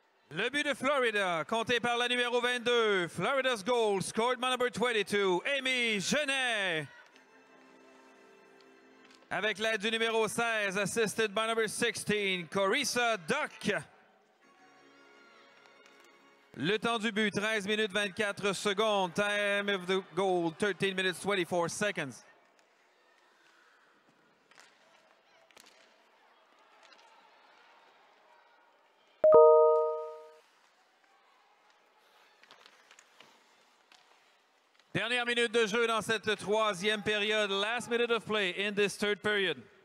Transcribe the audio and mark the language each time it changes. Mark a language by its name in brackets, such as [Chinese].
[French] Le but de Florida, compté par la numéro 22. [English] Florida's goal, scored by number 22, Amy Genet. [French] Avec l'aide du numéro 16, [English] assisted by number 16, [French] Carissa Duck. Le temps du but, 13 minutes 24 secondes. [English] Time of the goal, 13 minutes 24 seconds. [French] Dernier. dernière minute de jeu dans cette troisième période. [English] Last minute of play in this third period.